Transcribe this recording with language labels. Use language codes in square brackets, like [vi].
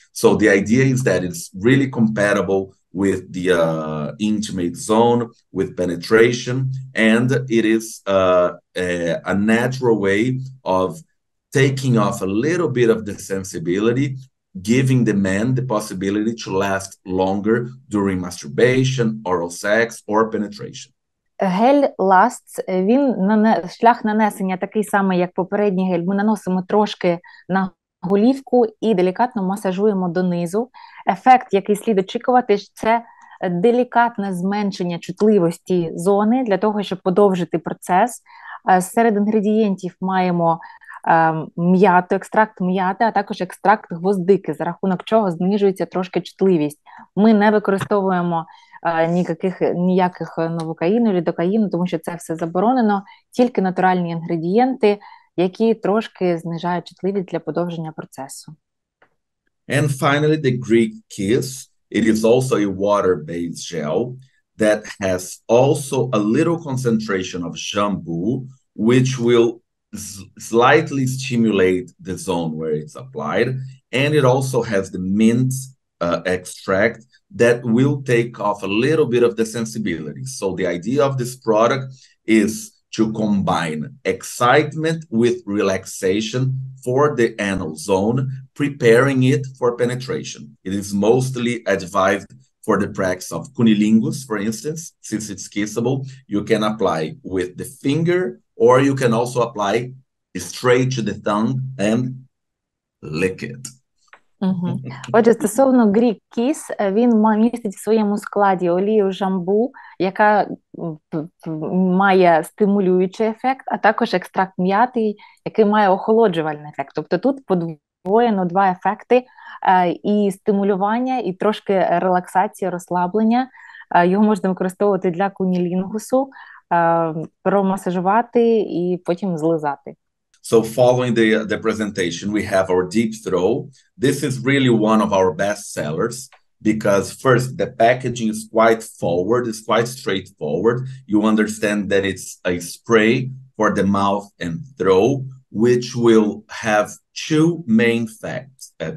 [en] So the idea is that it's really compatible with the intimate zone, with penetration, and it is a natural way of taking off a little bit of the sensibility, giving the man the possibility to last longer during masturbation, oral sex, or penetration. [uk] Гель lasts, він шлях нанесення такий самий, як попередній гель. Ми наносимо трошки на голівку і делікатно масажуємо донизу. Ефект, який слід очікувати, це делікатне зменшення чутливості зони для того, щоб подовжити процес. Серед інгредієнтів маємо м'яту, екстракт м'яти, а також екстракт гвоздики, за рахунок чого знижується трошки чутливість. Ми не використовуємо ніяких новокаїну, лідокаїну, тому що це все заборонено, тільки натуральні інгредієнти, які трошки знижають чутливість для подовження процесу. [en] And finally, the Greek kiss. It is also a water-based gel that has also a little concentration of shampoo, which will slightly stimulate the zone where it's applied. And it also has the mint extract that will take off a little bit of the sensibility. So the idea of this product is to combine excitement with relaxation for the anal zone, preparing it for penetration. It is mostly advised for the practice of cunnilingus, for instance, since it's kissable. You can apply with the finger, or you can also apply straight to the tongue and lick it. [uk] Отже, стосовно Greek Kiss, він містить в своєму складі олію жамбу, яка має стимулюючий ефект, а також екстракт м'яти, який має охолоджувальний ефект. Тобто тут подвоєно два ефекти і стимулювання, і трошки релаксації, розслаблення. Його можна використовувати для кунілінгусу, промасажувати і потім злизати. [en] So following the presentation, we have our deep throw. This is really one of our best sellers because first, the packaging is quite forward, it's quite straightforward. You understand that it's a spray for the mouth and throat, which will have two main effects.